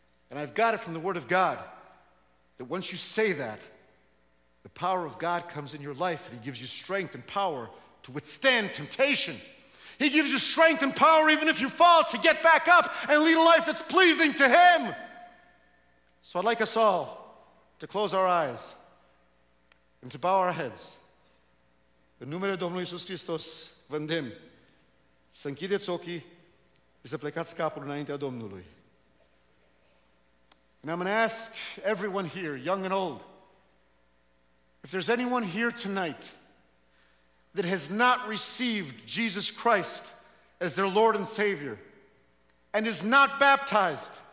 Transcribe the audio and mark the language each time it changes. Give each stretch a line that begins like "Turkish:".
English: And I've got it from the Word of God that once you say that, the power of God comes in your life, and He gives you strength and power to withstand temptation. He gives you strength and power, even if you fall, to get back up and lead a life that's pleasing to Him. So I'd like us all to close our eyes and to bow our heads.
Romanian: În numele Domnului Iisus Hristos, vă îndemn să închideți ochii și să plecați capul înaintea Domnului.
English: And I'm going to ask everyone here, young and old, if there's anyone here tonight that has not received Jesus Christ as their Lord and Savior, and is not baptized,